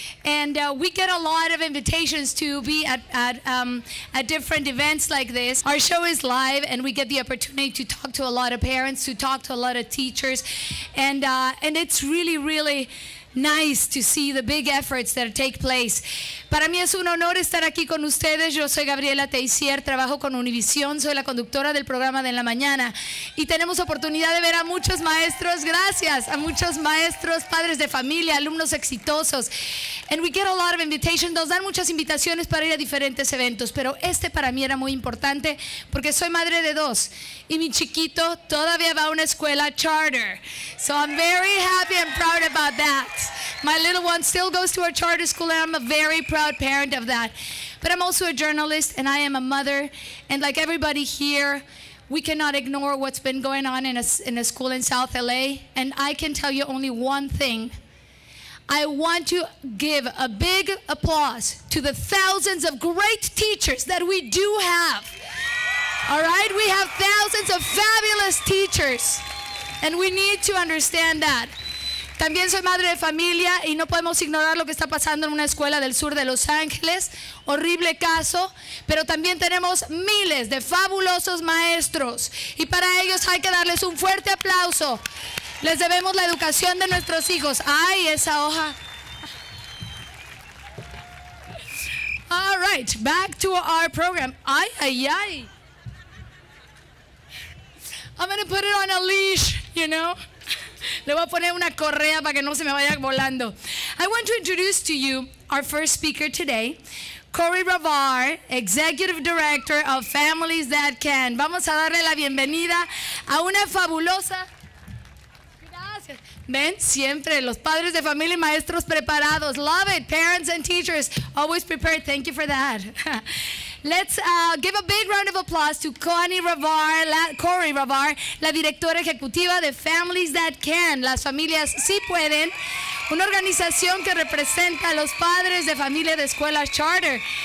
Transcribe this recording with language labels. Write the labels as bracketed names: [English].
[English] And we get a lot of invitations to be at different events like this. Our show is live, and we get the opportunity to talk to a lot of parents, to talk to a lot of teachers. And it's really, really nice to see the big efforts that take place. [Spanish] Para mí es un honor estar aquí con ustedes. Yo soy Gabriela Teissier, trabajo con Univision, soy la conductora del programa de la mañana. Y tenemos oportunidad de ver a muchos maestros, gracias, a muchos maestros, padres de familia, alumnos exitosos. [English] And we get a lot of invitations, [Spanish] nos dan muchas invitaciones para ir a diferentes eventos, pero este para mí era muy importante porque soy madre de dos y mi chiquito todavía va a una escuela charter. [English] So I'm very happy and proud about that. My little one still goes to a charter school, and I'm a very proud parent of that. But I'm also a journalist, and I am a mother. And like everybody here, we cannot ignore what's been going on in a school in South LA. And I can tell you only one thing. I want to give a big applause to the thousands of great teachers that we do have. All right? We have thousands of fabulous teachers, and we need to understand that. [Spanish] También soy madre de familia y no podemos ignorar lo que está pasando en una escuela del sur de Los Ángeles. Horrible caso, pero también tenemos miles de fabulosos maestros y para ellos hay que darles un fuerte aplauso. Les debemos la educación de nuestros hijos. ¡Ay, esa hoja! [English] All right, back to our program. ¡Ay, ay, ay! I'm going to put it on a leash, you know. [Spanish] Le voy a poner una correa para que no se me vaya volando. [English] I want to introduce to you our first speaker today, Corri Ravare, Executive Director of Families That Can. [Spanish] Vamos a darle la bienvenida a una fabulosa. Gracias. Ven, siempre, los padres de familia y maestros preparados. [English] Love it, parents and teachers, always prepared. Thank you for that. Let's give a big round of applause to Corri Ravare, [Spanish] la directora ejecutiva de Families That Can, Las Familias Sí Pueden, una organización que representa a los padres de familia de escuelas charter.